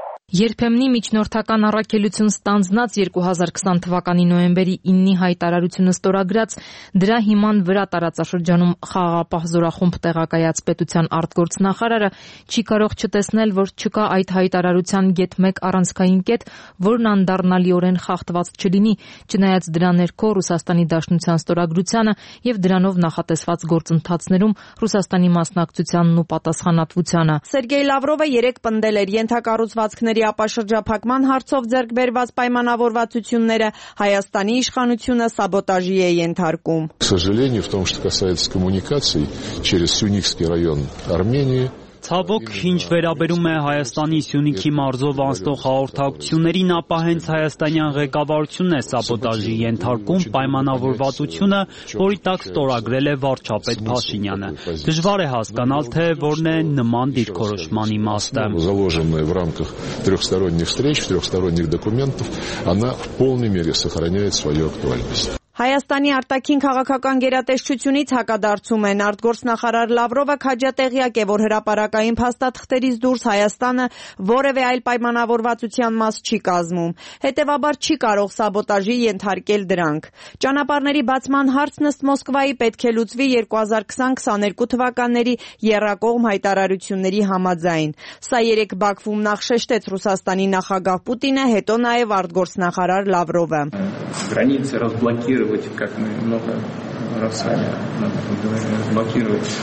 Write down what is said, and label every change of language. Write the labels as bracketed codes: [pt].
[hy] Երբեմնի միջնորդական առաքելություն ստանձնած 2020 թվականի նոյեմբերի 9-ի հայտարարությունը ստորագրած, դրա հիման վրա տարածաշրջանում խաղաղապահ զորախումբ տեղակայած պետության արտգործնախարարը չի կարող չտեսնել, որ չկա այդ հայտարարության գետ մեկ առանցքային կետ, որն անդառնալիորեն խախտված չլինի, չնայած դրա ներքո Ռուսաստանի Դաշնության ստորագրությանը և դրանով նախատեսված գործընթացներում Ռուսաստանի մասնակցությանն ու պատասխանատվությանը։ Սերգեյ Լավրովը երեկ պնդել էր ենթակառուցվածքն ապաշրջափակման հարցով ձեռք բերված պայմանավորվածությունները Հայաստանի իշխանությունը սաբոտաժի է ենթարկում։ [ru] К сожалению, в том, что касается коммуникаций через Սյունիքский район Армении, [hy] Ցավոք, ինչ վերաբերում է Հայաստանի Սյունիքի մարզով անցնող հաղորդակցություններին, ապա հենց հայաստանյան ղեկավարությունն է սաբոտաժի ենթարկում պայմանավորվածությունը, որի տակ ստորագրել է վարչապետ Փաշինյանը։ Դժվար է հասկանալ, թե որն է նման դիրքորոշման իմաստը։ [ru] Заложенная в рамках трёхсторонних встреч, трёхсторонних документов, она в полной мере сохраняет свою актуальность. [hy] Հայաստանի արտաքին քաղաքական գերատեսչությունից հակադարձում են արտգործնախարար Լավրովը քաջատեղյակ է, որ հրապարակային փաստաթղթերից դուրս Հայաստանը որևէ այլ պայմանավորվածության մաս չի կազմում, հետևաբար չի կարող սաբոտաժի ենթարկել դրանք։ Ճանապարհների բացման հարցն ըստ Մոսկվայի պետք է լուծվի 2020-22 թվականների եռակողմ հայտարարությունների համաձայն։ Սա երեկ Բաքվում նախշեշտեց Ռուսաստանի նախագահ Պուտինը, հետո նաև արտգործնախարար Լավրովը։